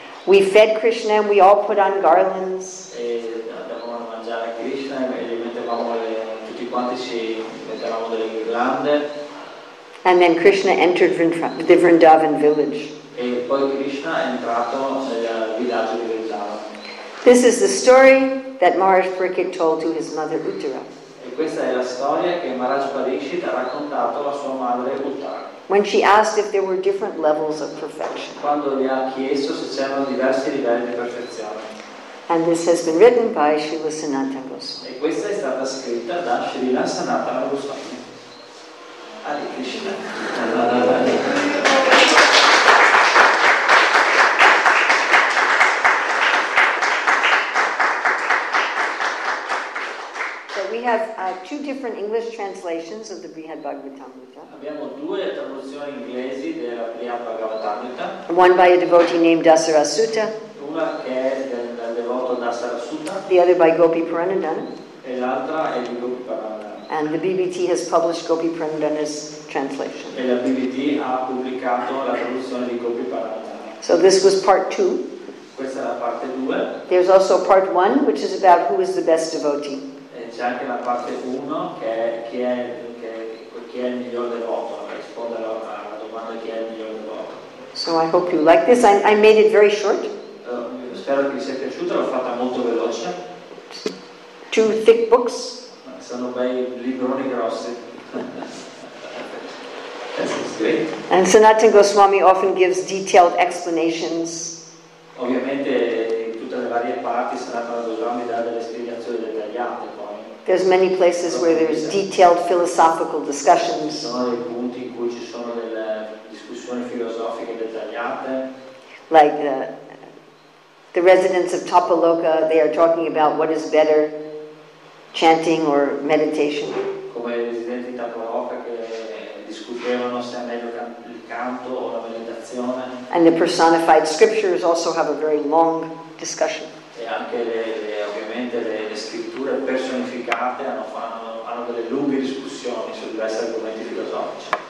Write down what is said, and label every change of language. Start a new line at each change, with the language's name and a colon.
English: We fed Krishna and we all put on garlands.
Italian: E andavamo a mangiare a Krishna e gli mettevamo tutti quanti ci mettevamo delle ghirlande.
English: And then Krishna entered the Vrindavan village.
Italian: E poi Krishna è entrato nel villaggio di Vrindavan.
English: This is the story that Maharaj Parikshit told to his mother Uttara.
Italian: Questa è la storia che Maharaj Parikshit ha raccontato alla sua madre Uttara.
English: When she asked if there were different levels of perfection.
Italian: Quando gli ha chiesto se c'erano diversi livelli di perfezione.
English: And this has been written by Srila Sanatana Goswami.
Italian: E questa è stata scritta da Srila Sanatana Goswami.
English: Hare Krishna. We have two different English translations of the Brihad Bhagavatamrita.
Italian: Abbiamo due traduzioni inglesi della Brihad Bhagavatamrita.
English: One by a devotee named Dasarasuta.
Italian: Una che è del devoto Dasarasuta.
English: The other by Gopi Puranandana.
Italian: E l'altra è di Gopi Puranandana.
English: And the BBT has published Gopi Puranandana's translation.
Italian: E la BBT ha pubblicato la traduzione di Gopi Puranandana.
English: So this was part two.
Italian: Questa è la parte due.
English: There's also part one, which is about who is the best devotee.
Italian: C'è anche la parte 1 che chi è il miglior devoto, risponde alla domanda chi è il miglior devoto.
English: So I hope you like this. I made it very short.
Italian: Spero che vi sia piaciuto, l'ho fatta molto veloce.
English: Two thick books.
Italian: Sono bei libroni grossi.
English: And Sanatan Goswami often gives detailed explanations.
Italian: Ovviamente in tutte le varie parti Sanatana Goswami dà delle spiegazioni dettagliate poi.
English: There's many places where there's detailed philosophical discussions.
Italian: Ci sono dei punti in cui ci sono delle discussioni filosofiche dettagliate.
English: Like the residents of Tapaloka, they are talking about what is better, chanting or meditation.
Italian: Come i residenti di Tapaloka che discutevano se è meglio il canto o la meditazione.
English: And the personified scriptures also have a very long discussion.
Italian: E anche le scritture personificate hanno delle lunghe discussioni su diversi argomenti filosofici.